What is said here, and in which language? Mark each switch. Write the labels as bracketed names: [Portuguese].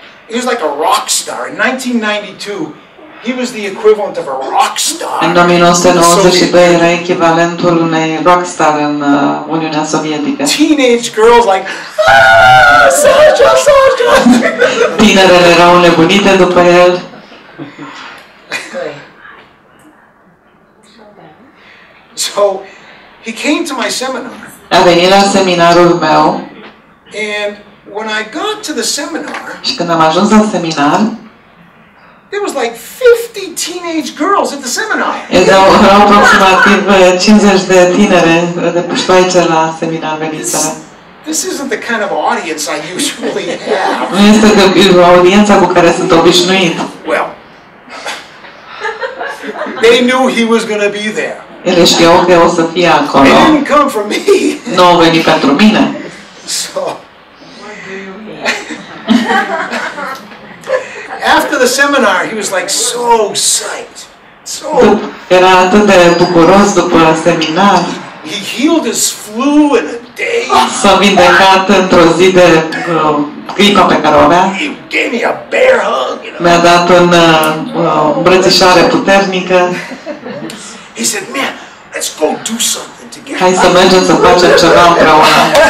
[English] He was like a rock star in 1992. He was the equivalent of a rock star. [Romanian] În 1992 era echivalentul unei rock star în Uniunea Sovietică. [English] Teenage girls like Sasha, Sasha. [Romanian] Tinerele erau nebunite după el. [English] So he came to my seminar. [Romanian] A venit la seminarul meu. [English] And when I got to the seminar, [Romanian] și când am ajuns la seminar, [English] there was like 50 teenage girls at the seminar. [Romanian] Erau aproximativ 50 de tinere de puștoaice la seminar venită. [English] This isn't the kind of audience I usually have. [Romanian] Nu este o audiență cu care sunt obișnuit. [English] Well, they knew he was going to be there. [Romanian] Ele știau că o să fie acolo. [English] Didn't come for me. [Romanian] Nu a venit pentru mine. [English] So, after the seminar, he was like so psyched. So, [Romanian] era atât de bucuros după seminar. [English] He healed his flu in a day. [Romanian] S-a vindecat într-o zi de gripa pe care o avea. [English] He gave me a bear hug, you know. [Romanian] Mi-a dat un îmbrățișare puternică. [English] He said, "Man, let's go do something together." [Romanian] Hai să mergem să facem ceva împreună.